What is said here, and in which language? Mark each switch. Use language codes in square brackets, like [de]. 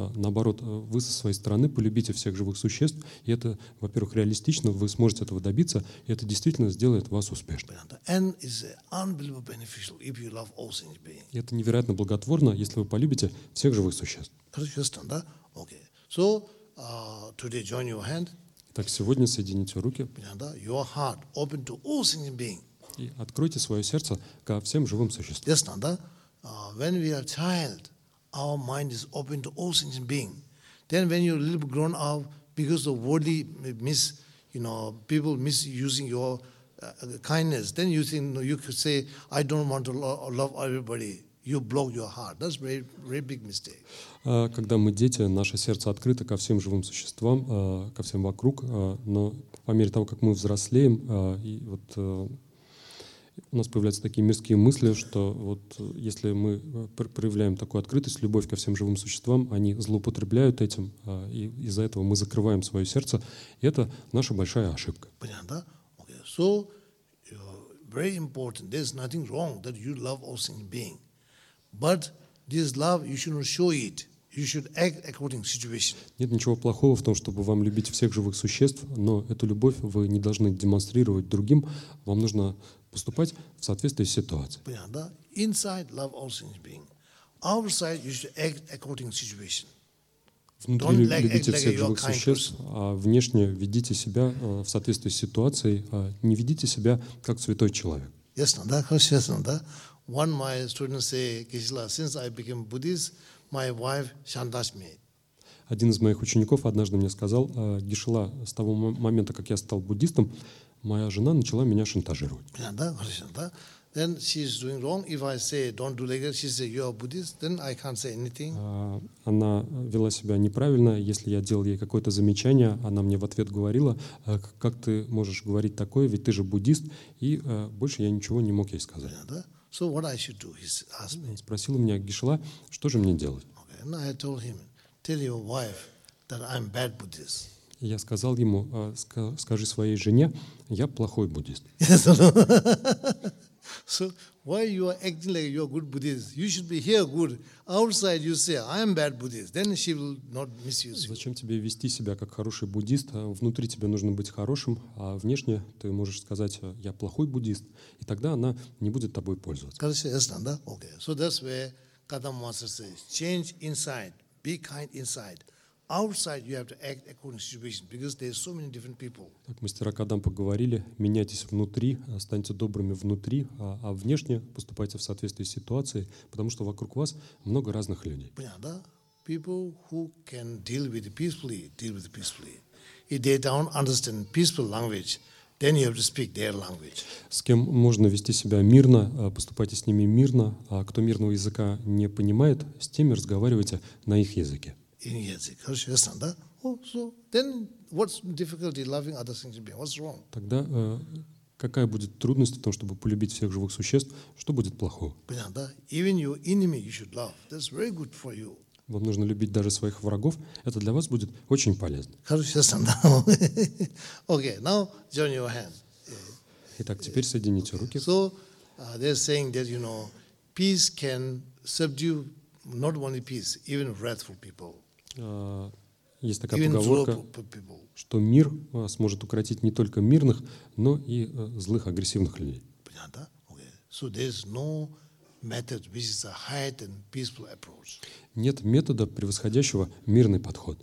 [ru] Наоборот, вы со своей стороны полюбите всех живых существ, и это, во-первых, реалистично. Вы сможете этого добиться, и это действительно сделает вас успешным. [en] And is unbelievably beneficial if you love all sentient beings. [ru] Это невероятно благотворно, если вы полюбите всех живых существ. Да? [en] Okay. So, today join your hand. [ru] Так сегодня соедините руки. Да? [en] Your heart open to all sentient beings. [ru] И откройте свое сердце ко всем живым существам. [en] Yes, [ru] да? [en] When we are child, our mind is open to all sentient beings. Then when you're a little bit grown up, because the worldly miss, you know, people misusing your kindness, then you think, you could say, I don't want to love everybody. You block your heart. That's very, very big mistake. [ru] Когда мы дети, наше сердце открыто ко всем живым существам, ко всем вокруг. Но по мере того, как мы взрослеем, и вот у нас появляются такие мирские мысли, что вот если мы проявляем такую открытость, любовь ко всем живым существам, они злоупотребляют этим, и из-за этого мы закрываем свое сердце. И это наша большая ошибка. Понятно, да? [en] Okay. So very important. There's nothing wrong that you love all sentient beings. But this love, you should not show it. You should act according to situation. [ru] Нет ничего плохого в том, чтобы вам любить всех живых существ, но эту любовь вы не должны демонстрировать другим. Вам нужно поступать в соответствии с ситуацией. Понятно, да? [en] Inside love all sentient beings. Outside you should act according to situation. [ru] Внутри любите всех живых существ, а внешне ведите себя в соответствии с ситуацией. Не ведите себя как святой человек. Ясно, да? Хорошо, ясно, да? [en] One of my students say, Kishila, since I became Buddhist, my wife shantash me. [ru] Один из моих учеников однажды мне сказал, Кишила, с того момента, как я стал буддистом, моя жена начала меня шантажировать. Да, хорошо, да. [en] Then she is doing wrong. If I say don't do like that, she says you are Buddhist. Then I can't say anything. [ru] Она вела себя неправильно. Если я делал ей какое-то замечание, она мне в ответ говорила, как ты можешь говорить такое, ведь ты же буддист. И больше я ничего не мог ей сказать. Понятно, да? [en] So what I should do? He asked me. [ru] Он спросил меня, Кишила, что же мне делать? [en] Okay. And I told him, tell your wife that I'm bad Buddhist. [ru] Я сказал ему, скажи своей жене, я плохой буддист. [en] Yes. So why you are acting like you are good Buddhist? You should be here good. Outside you say I am bad Buddhist. Then she will not misuse you. [ru] Зачем тебе вести себя как хороший буддист? Внутри тебе нужно быть хорошим, а внешне ты можешь сказать я плохой буддист, и тогда она не будет тобой пользоваться. Кажется, ясно, да? Okay. [en] So that's where Kadam Master says change inside, be kind inside. Outside you have to act according to situation because there are so many different people. [ru] Так мастера Кадам поговорили, меняйтесь внутри, станьте добрыми внутри, а внешне поступайте в соответствии с ситуацией, потому что вокруг вас много разных людей. Понятно, да? [en] People who can deal with peacefully, deal with peacefully. If they don't understand peaceful language, then you have to speak their language. [ru] С кем можно вести себя мирно, поступайте с ними мирно, а кто мирного языка не понимает, с теми разговаривайте на их языке. [en] In [ru] язык. Хорошо, ясно, да? [en] Oh, so then what's difficulty loving other sentient beings? What's wrong? [ru] Тогда какая будет трудность в том, чтобы полюбить всех живых существ? Что будет плохого? Понятно, да? [en] Even your enemy you should love. That's very good for you. [ru] вам нужно любить даже своих врагов, это для вас будет очень полезно. Хорошо, да. [en] Okay, now join your hands. [ru] Итак, теперь соедините руки. [en] So, they're saying that, you know, peace can subdue not only peace, even wrathful people. [ru] Есть такая [en] even [ru] поговорка, [en] people. [ru] Что мир сможет укротить не только мирных, но и злых, агрессивных людей. Понятно? Okay. [en] So there's no method which is a higher than peaceful approach. [ru] Нет метода, превосходящего мирный подход.